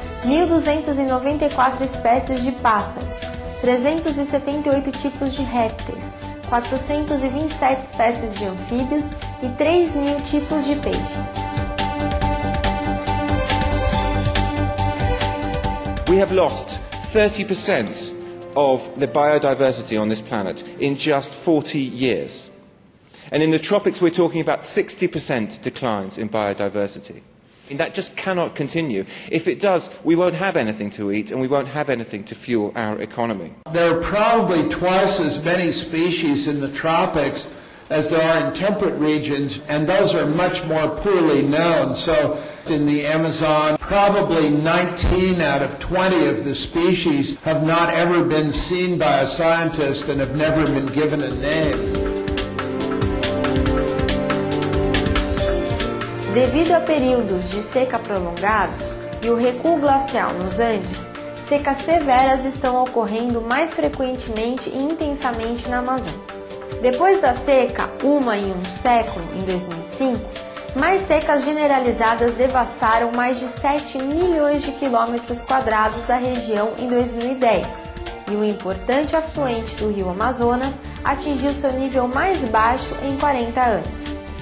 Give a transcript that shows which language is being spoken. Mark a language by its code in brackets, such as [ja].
[pt] 1.294 espécies de pássaros, 378 tipos de répteis, 427 espécies de anfíbios e 3.000 tipos de peixes. [en] We have lost 30% of the biodiversity on this planet in just 40 years. And in the tropics, we're talking about 60% declines in biodiversity. And that just cannot continue. If it does, we won't have anything to eat and we won't have anything to fuel our economy. There are probably twice as many species in the tropics as there are in temperate regions, and those are much more poorly known. So in the Amazon, probably 19 out of 20 of the species have not ever been seen by a scientist and have never been given a name. [pt] Devido a períodos de seca prolongados e o recuo glacial nos Andes, secas severas estão ocorrendo mais frequentemente e intensamente na Amazônia. Depois da seca, uma em um século, em 2005, mais secas generalizadas devastaram mais de 7 milhões de quilômetros quadrados da região em 2010, e um importante afluente do rio Amazonas atingiu seu nível mais baixo em 40 anos.